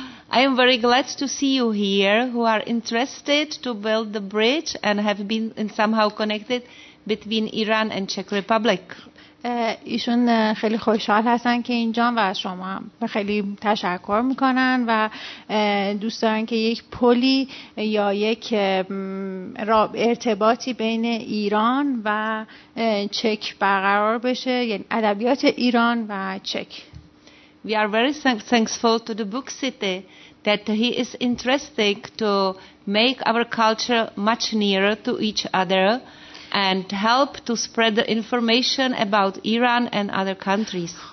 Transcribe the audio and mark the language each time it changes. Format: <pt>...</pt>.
<en>I am very glad to see you here who are interested to build the bridge and have been in somehow connected between Iran and Czech Republic.</en> <fa>ایشون خیلی خوشحال هستن که اینجا و از شما خیلی تشکر میکنن و دوست دارن که یک پلی یا یک ارتباطی بین ایران و چک برقرار بشه، یعنی ادبیات ایران و چک.</fa> <en>We are very thankful to the Book City that he is interested to make our culture much nearer to each other and help to spread the information about Iran and other countries.</en>